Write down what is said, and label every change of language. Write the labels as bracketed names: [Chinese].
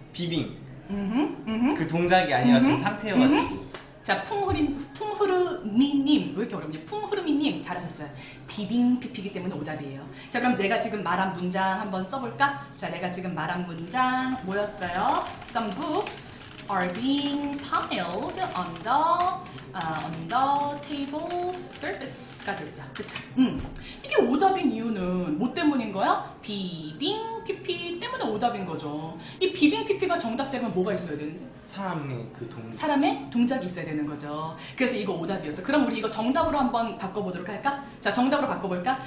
[Korean] 비빙. 그 동작이 아니라 지금 상태에 맞고. 자, 풍흐르미님. 왜 이렇게 어렵냐? 풍흐르미님. 잘하셨어요. 비빙피피기 때문에 오답이에요. 자, 그럼 내가 지금 말한 문장 한번 써볼까? 자, 내가 지금 말한 문장 뭐였어요? [English] Some books are being piled on the table's surface [Korean] 가 되죠. 그쵸? 이게 오답인 이유는 뭐 때문인 거야? 비빙피피 때문에 오답인 거죠. 이 비빙피피가 정답되면 뭐가 있어야 되는데? 사람의 그 동작. 사람의 동작이 있어야 되는 거죠. 그래서 이거 오답이었어. 그럼 우리 이거 정답으로 한번 바꿔보도록 할까? 자, 정답으로 바꿔볼까?